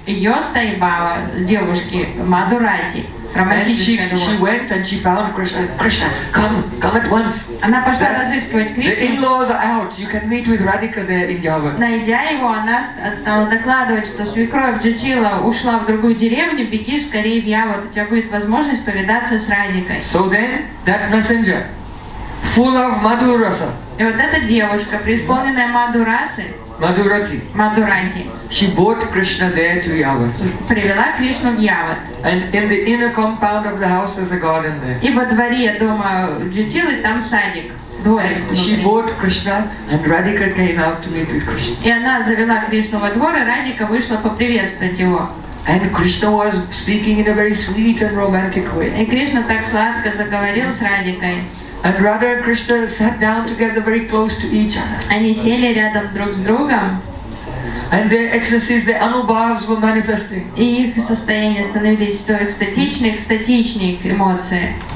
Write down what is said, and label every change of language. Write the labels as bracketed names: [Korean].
[Russian] Ее стаи бхава девушки мадурати. [English] She went and she found Krishna. Krishna, come at once. [Russian] Она пошла разыскивать Кришну. [English] The in-laws are out. You can meet with Radhika there in Yavat. [Russian] Найдя его, она стала докладывать, что свекровь Джучила ушла в другую деревню. Беги скорее в Yavat. У тебя будет возможность повидаться с Радикой. [English] So then that messenger, full of madurasa. [Russian] И вот эта девушка, преисполненная мадурасы. [English] Madurati. She brought Krishna there to Yavat. [Russian] Привела Кришну в Yavat. [English] And in the inner compound of the house is a garden there. [Russian] И во дворе дома Джутилы там садик. [English] She brought Krishna and Radhika came out to meet with Krishna. [Russian] И она завела Кришну во двор, и Радика вышла поприветствовать его. [English] And Krishna was speaking in a very sweet and romantic way. [Russian] И Кришна так сладко заговорил с Радикой. [English] And Radha and Krishna sat down together very close to each other. [Russian] Они сели рядом друг с другом. [English] And their ecstasies, their anubhavs were manifesting. [Russian] И их состояния становились все экстатичнее эмоции.